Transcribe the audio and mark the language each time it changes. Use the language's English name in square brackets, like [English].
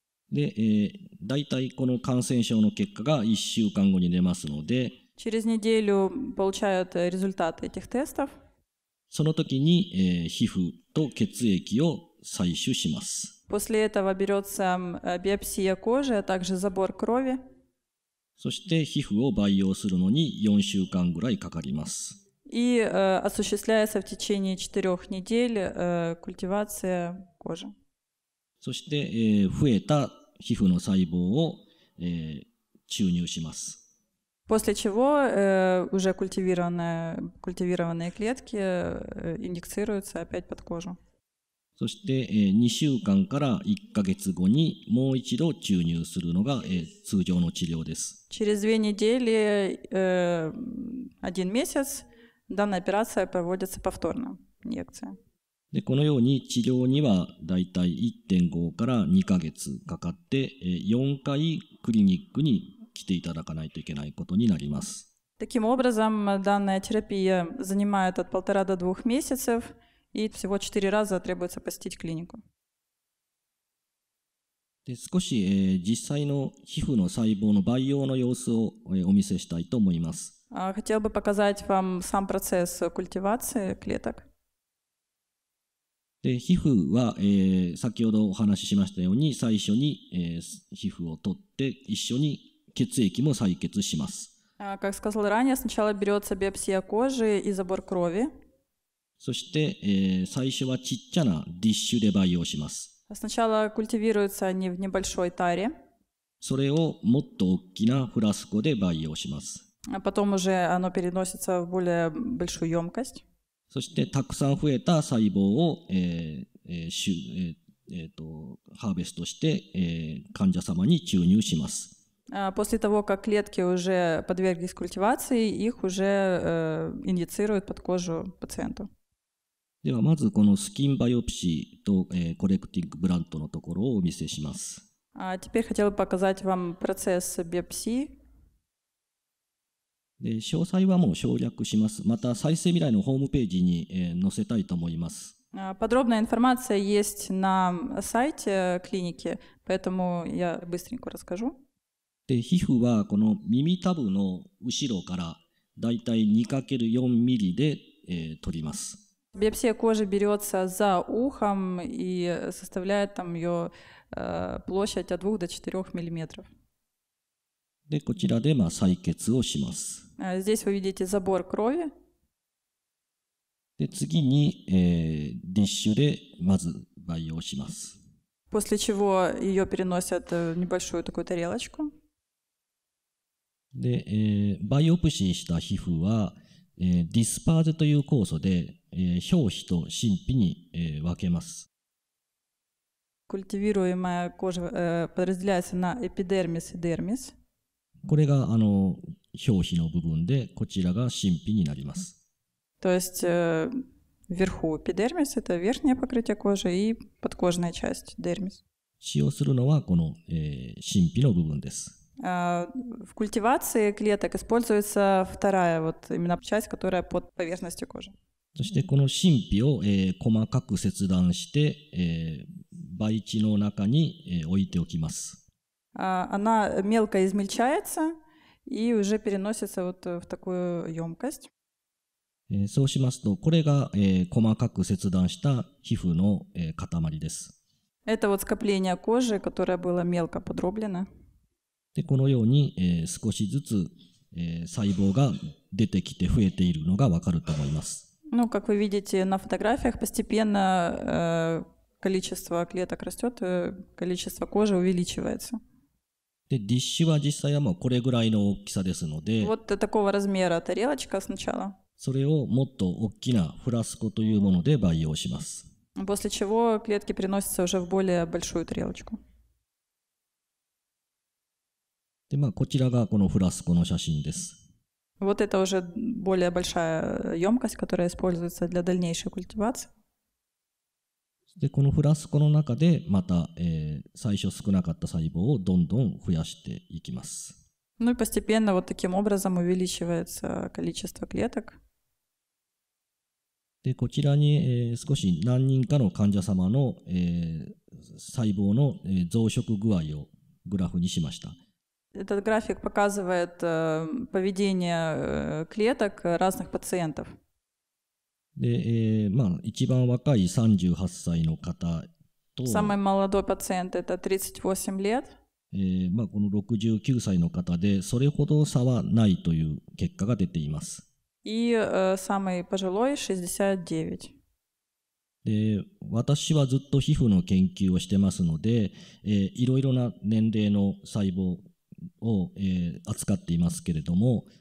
[Japanese] で、大体この感染症の結果が1週間後に出ますので、 [Russian] Через неделю получают результаты этих тестов. [Japanese] その時に、皮膚と血液を採取します。 [Russian] После этого берется биопсия кожи, а также забор крови. [Japanese] そして皮膚を培養するのに4週間ぐらいかかります。 [Russian] И осуществляется в течение 4 недель культивация кожи. [Japanese] そして増えた皮膚の細胞を注入します。 [Russian] После чего уже культивированные клетки инъекцируются опять под кожу. [Japanese] そして2週間から1ヶ月後にもう一度注入するのが通常の治療です。 [Russian] Через 2 недели, 1 месяц, данная операция проводится повторно, инъекция. [Japanese] でこのように治療にはだいたい 1.5 から2ヶ月かかって4回クリニックに来ていただかないといけないことになります。 [Russian] Таким образом, данная терапия занимает от 1.5 до 2 месяцев и всего 4 раза требуется посетить клинику. [Japanese] で少し実際の皮膚の細胞の培養の様子をお見せしたいと思います。 [Russian] Хотел бы показать вам сам процесс культивации клеток. [Japanese] で皮膚は先ほどお話ししましたように最初に皮膚を取って一緒に血液も採血します。 [Russian] Как сказал ранее, сначала берется биопсия кожи и забор крови. [Japanese] そして最初はちっちゃなディッシュで培養します。 [Russian] Сначала культивируются они в небольшой таре. [Japanese] それをもっと大きなフラスコで培養します。 [Russian] А потом уже оно переносится в более большую емкость. [Japanese] そしてたくさん増えた細胞をハーベストして患者様に注入します。 [Russian] После того, как клетки уже подверглись культивации, их уже инъецируют под кожу пациенту. [Japanese] ではまずこのスキンバイオプシーとコレクティングブラントのところをお見せします。 [Russian] Теперь хотел бы показать вам процесс биопсии. [Japanese] で詳細はもう省略します。また再生未来のホームページに載せたいと思います。 [Russian] Подробная информация есть на сайте клиники, поэтому я быстренько расскажу. [Japanese] で皮膚はこの耳たぶの後ろからだいたい 2×4 ミリで取ります。 [Russian] Биопсия кожи берется за ухом и составляет там ее площадь от 2 до 4 миллиметров. [Japanese] でこちらでまあ採血をします。 [Russian] Здесь вы видите забор крови. [Japanese] で次にディッシュでまず培養します。 [Russian] После чего ее переносят в небольшую такую тарелочку. [Japanese] でバイオプシーした皮膚は、ディスパーゼという酵素で、表皮と真皮に、分けます。 [Russian] Культивируемая кожа, подразделяется на эпидермис и дермис. [Japanese] これが表皮の部分で、こちらが真皮になります。 [Russian] То есть, вверху эпидермис, это верхнее покрытие кожи, и подкожная часть, дермис. [Japanese] 使用するのはこの、真皮の部分です。 [Russian] В культивации клеток используется вторая вот именно часть, которая под поверхностью кожи. [Japanese] そしてこの真皮を細かく切断して培地の中に置いておきます。 [Russian] Она мелко измельчается и уже переносится вот в такую емкость. [Japanese] そうしますとこれが細かく切断した皮膚の塊です。 [Russian] Это вот скопление кожи, которое было мелко подроблено. [Japanese] でこのように、少しずつ、細胞が出てきて増えているのがわかると思います。 [Russian] Ну, как вы видите на фотографиях, постепенно количество клеток растет, количество кожи увеличивается. [Japanese] でディッシュは実際はもうこれぐらいの大きさですので、 [Russian] Вот такого размера тарелочка сначала. [Japanese] それをもっと大きなフラスコというもので培養します。 [Russian] После чего клетки переносятся уже в более большую тарелочку. [Japanese] でまあ、こちらがこのフラスコの写真です。 [Russian] Вот это уже более большая емкость, которая используется для дальнейшей культивации. [Japanese] でこのフラスコの中でまた、最初少なかった細胞をどんどん増やしていきます。 [Russian] Ну и постепенно вот таким образом увеличивается количество клеток. [Japanese] でこちらに、少し何人かの患者様の、細胞の増殖具合をグラフにしました。 [Russian] Этот график показывает поведение клеток разных пациентов. [Japanese] で、まあ、一番若い38歳の方と、 [Russian] самый молодой пациент это 38 лет。 [Japanese] まあこの69歳の方でそれほど差はないという結果が出ています。 [Russian] И самый пожилой 69。 [Japanese] 私はずっと皮膚の研究をしてますので、いろいろな年齢の細胞を、扱っていますけれども、